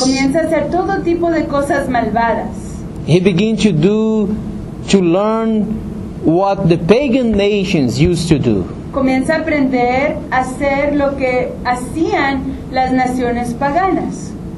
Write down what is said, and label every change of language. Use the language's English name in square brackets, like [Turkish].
[Spanish] Comienza a hacer todo tipo de cosas malvadas. [English] He begins to learn what the pagan nations used to do. [Spanish] Comienza a aprender a hacer lo que hacían las naciones paganas.